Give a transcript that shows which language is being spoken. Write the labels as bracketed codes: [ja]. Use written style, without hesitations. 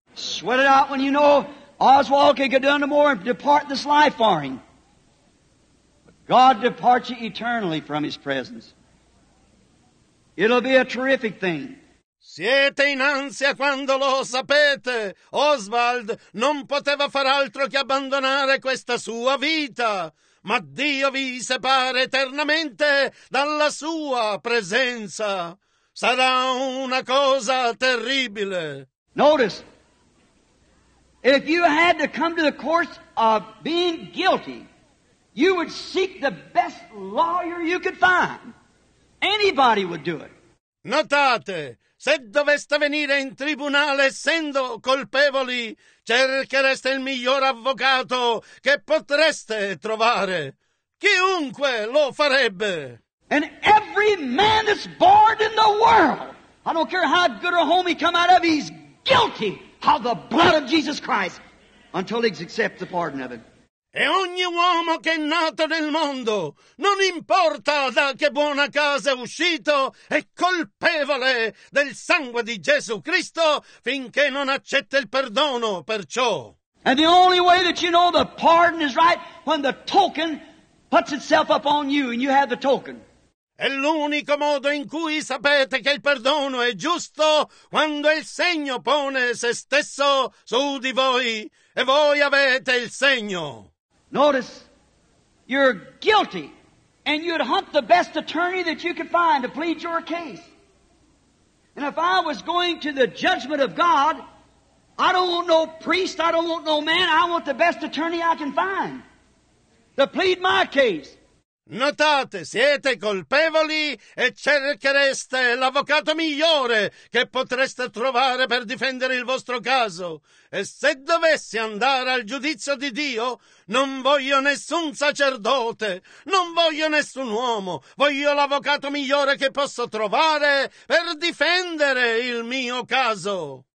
[en] Sweat it out when you know Oswald can get done no more and depart this life for him. But God departs you eternally from His presence. It'll be a terrific thing. [it] Siete in ansia quando lo sapete. Oswald non poteva far altro che abbandonare questa sua vita. Ma Dio vi separa eternamente dalla sua presenza. Sarà una cosa terribile. [en] Notice, if you had to come to the court of being guilty, you would seek the best lawyer you could find. Anybody would do it. [it] Notate, se doveste venire in tribunale essendo colpevoli, cerchereste il miglior avvocato che potreste trovare. Chiunque lo farebbe. [en] And every man that's born in the world, I don't care how good a home he come out of, he's guilty of the blood of Jesus Christ until he accepts the pardon of it. [it] E ogni uomo che è nato nel mondo, non importa da che buona casa è uscito, è colpevole del sangue di Gesù Cristo finché non accetta il perdono per ciò. [en] And the only way that you know the pardon is right when the token puts itself upon you and you have the token. [it] È l'unico modo in cui sapete che il perdono è giusto quando il segno pone se stesso su di voi e voi avete il segno. [en] Notice, you're guilty, and you'd hunt the best attorney that you could find to plead your case. And if I was going to the judgment of God, I don't want no priest, I don't want no man, I want the best attorney I can find to plead my case. [it] Notate, siete colpevoli e cerchereste l'avvocato migliore che potreste trovare per difendere il vostro caso. E se dovessi andare al giudizio di Dio, non voglio nessun sacerdote, non voglio nessun uomo, voglio l'avvocato migliore che posso trovare per difendere il mio caso.